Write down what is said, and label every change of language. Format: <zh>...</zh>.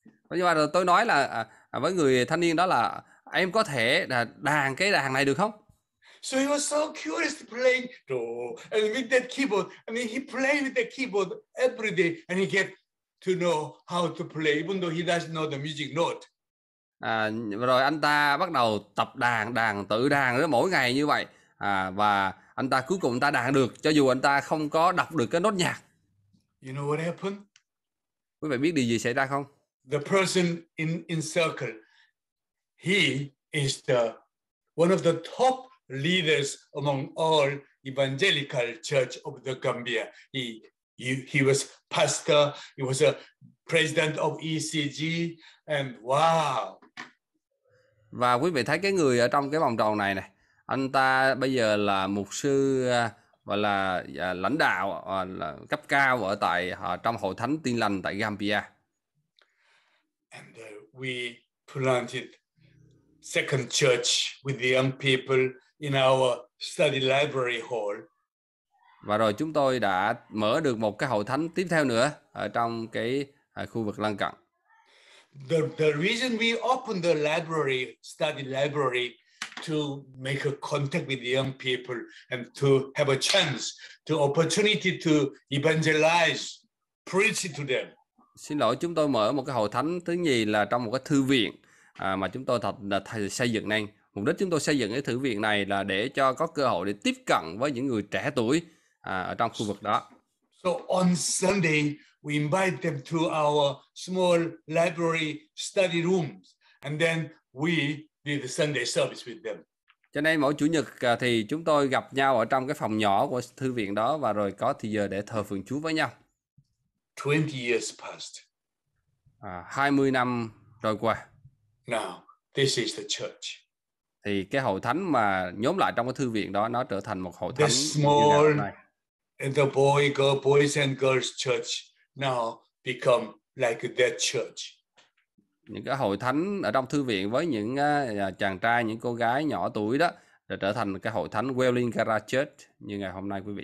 <vi>Nhưng mà tôi nói là với người thanh niên đó là em có thể đàn cái đàn này được không?</vi> <en>So he was so curious to play and with that keyboard. I mean, he played with the keyboard every day and he get to know how to play even though he doesn't know the music note.</en> <vi>Rồi anh ta bắt đầu tập đàn tự đàn mỗi ngày như vậy. Và anh ta cuối cùng anh ta đàn được cho dù anh ta không có đọc được cái nốt nhạc.</vi> <en>You know what happened?</en> <vi>Quý vị biết điều gì xảy ra không?</vi> <en>The person in circle, he is the one of the top leaders among all evangelical church of the Gambia. He was pastor, he was a president of ECG, and wow.</en> <vi>Và quý vị thấy cái người ở trong cái vòng tròn này này, anh ta bây giờ là mục sư và là lãnh đạo là cấp cao ở tại trong hội thánh tin lành tại Gambia.</vi> <en>And we planted second church with the young people in our study library hall.</en> <vi>Và rồi chúng tôi đã mở được một cái hội thánh tiếp theo nữa ở trong cái khu vực lân cận.</vi> <en>The reason we opened the library, study library, to make a contact with the young people and to have a chance, to opportunity to evangelize, preach to them.</en> <vi>Xin lỗi, chúng tôi mở một cái hội thánh thứ nhì là trong một cái thư viện mà chúng tôi xây dựng nên. Mục đích chúng tôi xây dựng cái thư viện này là để cho có cơ hội để tiếp cận với những người trẻ tuổi ở trong khu vực đó.</vi> <en>So on Sunday, we invite them to our small library study rooms and then we did the Sunday service with them.</en> <vi>Cho nên mỗi Chủ nhật thì chúng tôi gặp nhau ở trong cái phòng nhỏ của thư viện đó và rồi có thời giờ để thờ phượng Chúa với nhau.</vi> <en>20 years passed.</en> <vi>20 năm rồi qua.</vi> <en>Now, this is the church.</en> <vi>Thì cái hội thánh mà nhóm lại trong cái thư viện đó nó trở thành một hội thánh.</vi> <en>The small and the boys and girls church now become like their church.</en> <vi>Những cái hội thánh ở trong thư viện với những chàng trai, những cô gái nhỏ tuổi đó đã trở thành cái hội thánh Welling Garage Church như ngày hôm nay quý vị</vi>